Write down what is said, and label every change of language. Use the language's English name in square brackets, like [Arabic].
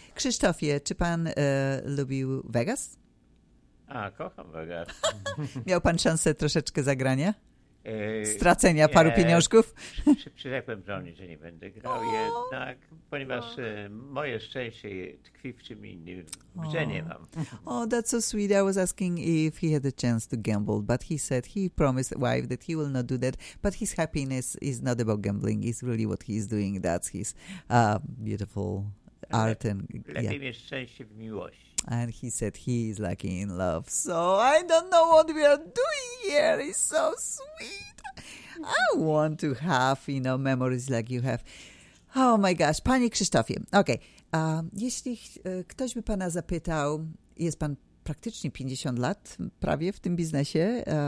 [Polish] Panie Krzysztofie, czy pan lubił Vegas? A, kocham Vegas. Miał pan szansę troszeczkę zagrania? Stracenia paru pieniążków? Przyrzekłem żonie, że nie będę grał jednak, ponieważ moje szczęście tkwi w czym innym, że nie mam. [English] Oh, that's so sweet. I was asking if he had a chance to gamble, but he said he promised wife that he will not do that, but his happiness is not about gambling, it's really what he's doing, that's his beautiful art. [Polish] Lepiej mieć szczęście w miłości. [English] And he said he is lucky in love. So I don't know what we are doing here. It's so sweet. I want to have, you know, memories like you have. Oh my gosh. Panie Krzysztofie. Okay. [Polish] Jeśli ktoś by pana zapytał, jest pan praktycznie 50 lat prawie w tym biznesie.